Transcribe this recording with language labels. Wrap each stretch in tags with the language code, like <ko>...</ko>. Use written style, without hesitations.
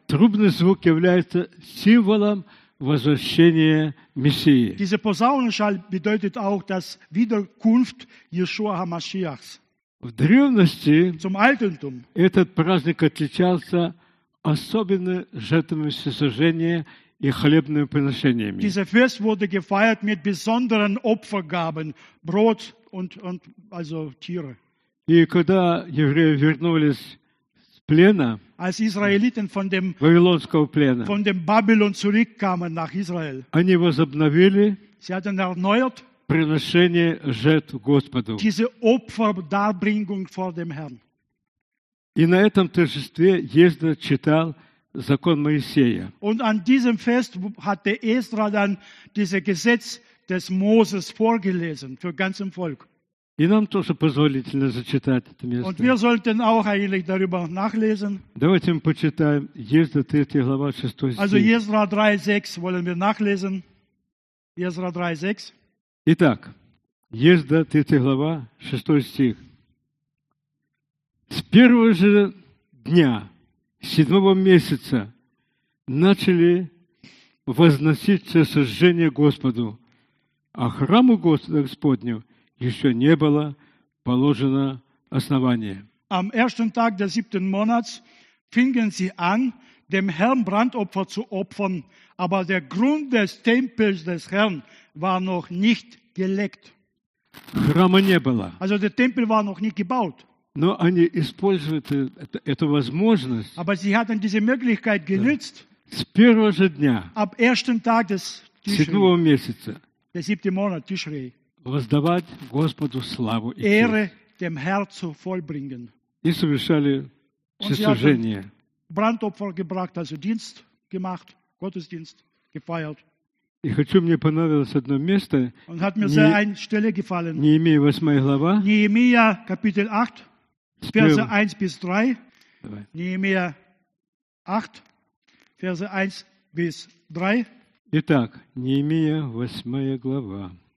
<ru>Трубный звук является символом возвращение Мессии.</ru> <de>Diese Posaunenschall bedeutet auch das Wiederkunft Yeshua HaMashiachs.</de> <ru>В древности</ru> <de>zum Altentum</de> <ru>этот праздник отличался особенно жертвами всесожжения и хлебными приношениями.</ru> <de>Dieser Fest wurde gefeiert mit besonderen Opfergaben, Brot und also Tiere.</de> <ru>И когда евреи вернулись плена,</ru> <de>als Israeliten von dem</de> <ru>Вавилонского плена,</ru> <de>von dem Babylon zurückkamen nach Israel,</de> <ru>они возобновили</ru> <de>sie hatten erneuert</de> <ru>приношение жертв Господу,</ru> <de>diese Opferdarbringung vor dem Herrn.</de> <ru>И на этом торжестве Ездра читал закон Моисея.</ru> <de>Und an diesem Fest hatte Ezra dann dieses Gesetz des Moses vorgelesen für ganzes Volk.</de> <ru>И нам тоже позволительно зачитать это место.</ru> <de>Und wir sollten auch eigentlich darüber nachlesen.</de> <ru>Давайте мы почитаем Езра 3 глава 6 стих.</ru> <de>Also Ezra 3:6 wollen wir nachlesen. Ezra 3:6.</de> <ru>Итак, Езра 3 глава 6 стих. С первого же дня седьмого месяца начали возноситься сожжения Господу, а храму Господню еще не было положено основание.</ru> <de>Am ersten Tag des siebten Monats fingen sie an, dem Herrn Brandopfer zu opfern, aber der Grund des Tempels des Herrn war noch nicht gelegt.</de> <ru>Храма не было.</ru> <de>Also der Tempel war noch nicht gebaut.</de> <ru>Но они использовали эту возможность.</ru> <de>Aber sie hatten diese Möglichkeit genützt.</de> <ru>С первого же дня.</ru> <de>Ab ersten Tag des</de> <ru>Tishrei. Седьмого месяца.</ru> <de>Der siebte Monat Tishrei.</de> <ru>Воздавать Господу славу и честь. И совершали всесожжение.</ru> <de>Brandopfer gebracht, also Dienst gemacht, Gottesdienst gefeiert.</de> <ru>И хочу, мне понравилось одно место.</ru> <de>Und hat mir sehr eine Stelle gefallen.</de> <ru>Неемия 8 глава.</ru> <de>Неемия, Kapitel 8, Verse 1 bis 3. Неемия 8, Verse 1 bis 3.</de> <ru>Итак, Неемия 8 глава.</ru>